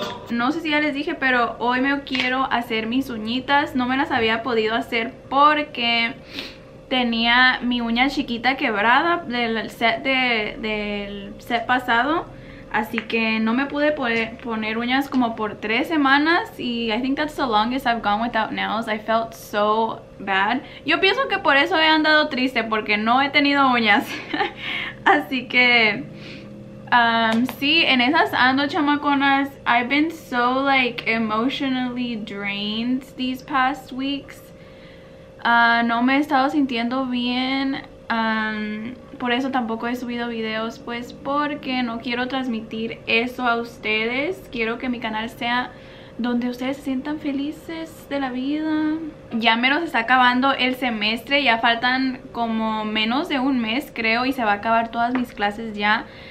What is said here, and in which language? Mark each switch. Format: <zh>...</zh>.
<es>No sé si ya les dije, pero hoy me quiero hacer mis uñitas. No me las había podido hacer porque tenía mi uña chiquita quebrada del set pasado. Así que no me pude poner uñas como por 3 semanas.</es> <en>Y I think that's the longest I've gone without nails. I felt so bad.</en> <es>Yo pienso que por eso he andado triste, porque no he tenido uñas. Así que... sí, en esas ando, chamaconas.</es> <en>I've been so, like, emotionally drained these past weeks.</en> <es>No me he estado sintiendo bien. Por eso tampoco he subido videos, pues, porque no quiero transmitir eso a ustedes. Quiero que mi canal sea donde ustedes se sientan felices de la vida. Ya mero se está acabando el semestre. Ya faltan como menos de un mes, creo, y se va a acabar todas mis clases ya.</es>